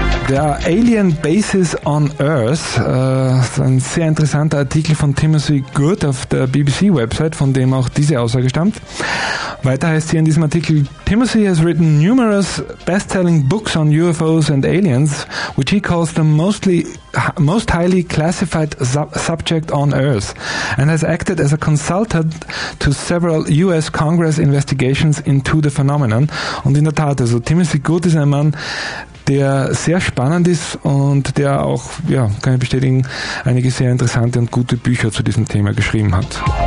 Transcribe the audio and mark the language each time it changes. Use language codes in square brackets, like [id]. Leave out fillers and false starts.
[de] Der Alien Bases on Earth, ein sehr interessanter Artikel von Timothy Good auf der BBC-Website, von dem auch diese Aussage stammt. Weiter heißt hier in diesem Artikel, [en] Timothy has written numerous best-selling books on UFOs and aliens, which he calls the most highly classified subject on Earth, and has acted as a consultant to several US Congress investigations into the phenomenon. [de] Und in der Tat, also Timothy Good ist ein Mann, der sehr spannend ist und der auch, ja, kann ich bestätigen, einige sehr interessante und gute Bücher zu diesem Thema geschrieben hat.